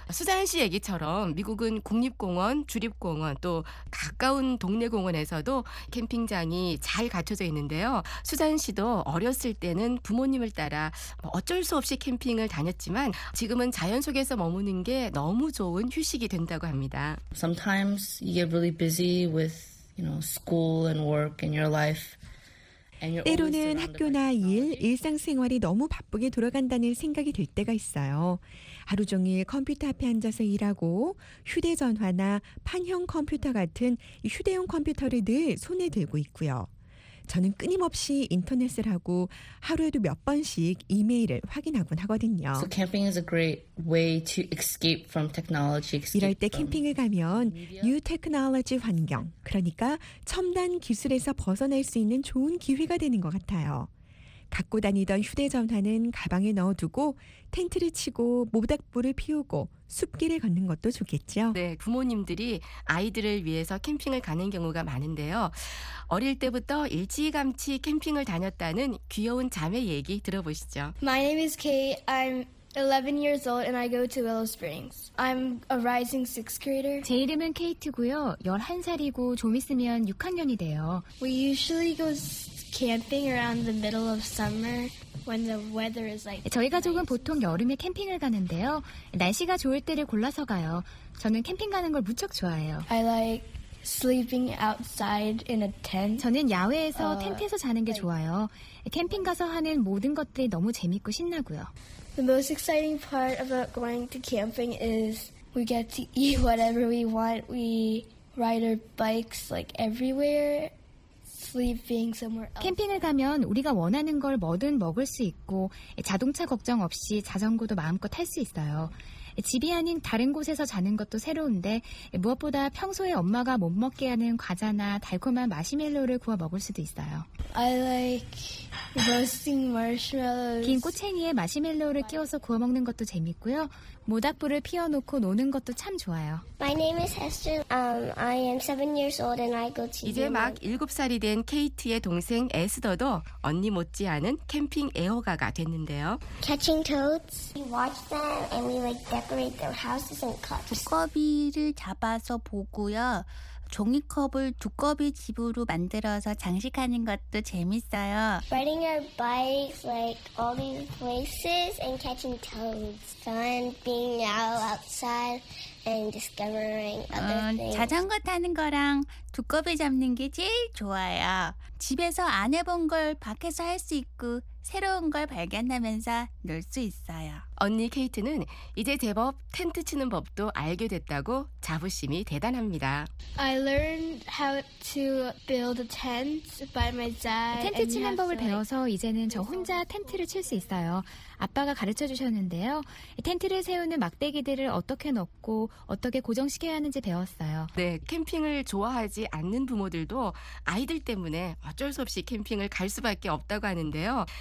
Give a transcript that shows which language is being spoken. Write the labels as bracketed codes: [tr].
[ko] 수잔 씨 얘기처럼 미국은 국립공원, 주립공원 또 가까운 동네 공원에서도 캠핑장이 잘 갖춰져 있는데요. 수잔 씨도 어렸을 때는 부모님을 따라 뭐 어쩔 수 없이 캠핑을 다녔지만 지금은 자연 속에서 머무는 게 너무 좋은 휴식이 된다고 합니다. [en] Sometimes you get really busy with, you know, school and work and your life. [ko] 때로는 학교나 일, 일상생활이 너무 바쁘게 돌아간다는 생각이 들 때가 있어요. 하루 종일 컴퓨터 앞에 앉아서 일하고 휴대전화나 판형 컴퓨터 같은 휴대용 컴퓨터를 늘 손에 들고 있고요. 저는 끊임없이 인터넷을 하고 하루에도 몇 번씩 이메일을 확인하곤 하거든요. [en] So camping is a great way to escape from technology. [ko] 이럴 때 캠핑을 가면 [en] new technology [ko] 환경, 그러니까 첨단 기술에서 벗어날 수 있는 좋은 기회가 되는 것 같아요. 갖고 다니던 휴대전화는 가방에 넣어두고 텐트를 치고 모닥불을 피우고 숲길을 걷는 것도 좋겠죠. 네, 부모님들이 아이들을 위해서 캠핑을 가는 경우가 많은데요. 어릴 때부터 일찌감치 캠핑을 다녔다는 귀여운 자매 얘기 들어보시죠. [en] My name is Kate. I'm 11 years old and I go to Willow Springs. I'm a rising 6th grader. [ko] 제 이름은 케이트고요. 11살이고 좀 있으면 6학년이 돼요. [en] We usually go camping around the middle of summer when the weather is like [ko] 저희 가족은 보통 여름에 캠핑을 가는데요. 날씨가 좋을 때를 골라서 가요. 저는 캠핑 가는 걸 무척 좋아해요. [en] I like sleeping outside in a tent. [ko] 저는 야외에서 텐트에서 자는 게 좋아요. 캠핑 가서 하는 모든 것들이 너무 재밌고 신나고요. [en] The most exciting part about going to camping is we get to eat whatever we want. We ride our bikes like everywhere. Sleeping somewhere else. [ko] 캠핑을 가면 우리가 원하는 걸 뭐든 먹을 수 있고 자동차 걱정 없이 자전거도 마음껏 탈 수 있어요. 집이 아닌 다른 곳에서 자는 것도 새로운데 무엇보다 평소에 엄마가 못 먹게 하는 과자나 달콤한 마시멜로를 구워 먹을 수도 있어요. [en] I like roasting marshmallows. [ko] 긴 꼬챙이에 마시멜로를 끼워서 구워 먹는 것도 재밌고요. 모닥불을 피워놓고 노는 것도 참 좋아요. [en] My name is Esther. I am 7 years old and I go to. [ko] 이제 막 7살이 된 케이트의 동생 에스더도 언니 못지않은 캠핑 애호가가 됐는데요. [en] Catching toads. We watch them and we like decorate their houses and cups. [ko] 두꺼비를 잡아서 보고요. 종이컵을 두꺼비 집으로 만들어서 장식하는 것도 재밌어요. [en] Riding our bikes like all these places and catching toads. Fun being out outside and discovering other things. [ko] 자전거 타는 거랑 두꺼비 잡는 게 제일 좋아요. 집에서 안 해본 걸 밖에서 할 수 있고 새로운 걸 발견하면서 놀 수 있어요. 언니 케이트는 이제 제법 텐트 치는 법도 알게 됐다고 자부심이 대단합니다. [en] I learned how to build a tent by my dad. [ko] 텐트 치는 법을 배워서 이제는 저 혼자 텐트를 칠 수 있어요. 아빠가 가르쳐 주셨는데요. 텐트를 세우는 막대기들을 어떻게 넣고 어떻게 고정시켜야 하는지 배웠어요. 네, 캠핑을 좋아하지 않는 부모들도 아이들 때문에 어쩔 수 없이 캠핑을 갈 수밖에 없다고 하는데요.